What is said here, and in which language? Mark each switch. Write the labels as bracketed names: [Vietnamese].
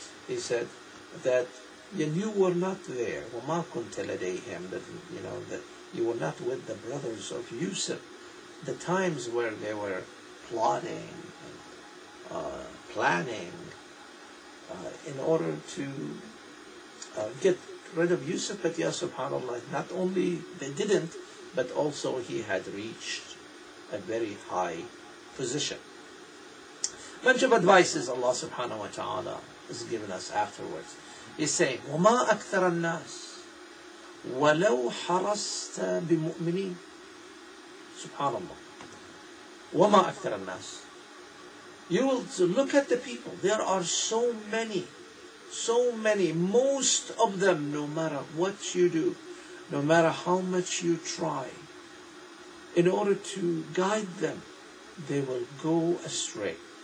[English] He said that you were not there, [Arabic] وَمَا كُنْتَ لَدَيْهِمْ, [English] that, you know, that you were not with the brothers of Yusuf, the times where they were plotting, and, planning in order to get rid of Yusuf. But yes, subhanAllah, not only they didn't, but also he had reached a very high position. Bunch of advices Allah subhanahu wa ta'ala has given us afterwards. He's saying, [Arabic] وَمَا أَكْثَرَ النَّاسِ وَلَوْ حَرَسْتَ بِمُؤْمِنِينَ. SubhanAllah. وَمَا أَكْثَرَ النَّاسِ. [English] You will look at the people. There are so many, so many. Most of them, no matter what you do, no matter how much you try, in order to guide them, they will go astray.